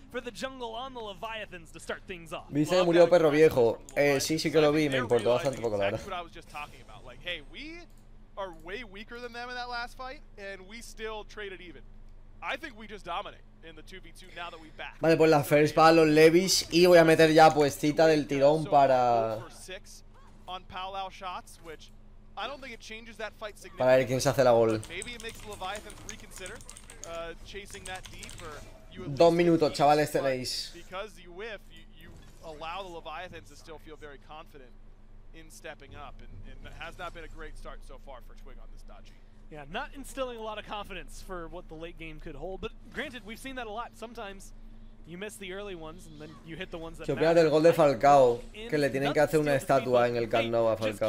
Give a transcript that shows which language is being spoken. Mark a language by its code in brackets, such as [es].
[en] For the jungle on the Leviathans to start things off. [es] Dice que murió perro viejo. Sí que lo vi, me importó bastante poco la verdad. [en] Like, hey, we are way weaker than them in that last fight and we still traded even. I think we just dominate in the 2v2 now that we're back. [es] Vale, pues la first para los Levis y voy a meter ya pues cita del tirón para [en] on Palau shots, which I don't think it changes that fight [es] significantly. Para ver quién se hace la gol. [en] Maybe it makes Leviathan reconsider chasing that deep or [es] 2 minutos, chavales, tenéis. [en] Because you whiff, you allow the Leviathans to still feel very confident in stepping up, and it has not been a great start so far for Twig on this dodgy. Yeah, not instilling a lot of confidence for what the late game could hold, but granted, we've seen that a lot. Sometimes you miss the early ones, and then you hit the ones that matter. [es] ¿Qué opinas del gol de Falcao? Que le tienen que hacer una estatua en el Camp Nou a Falcao.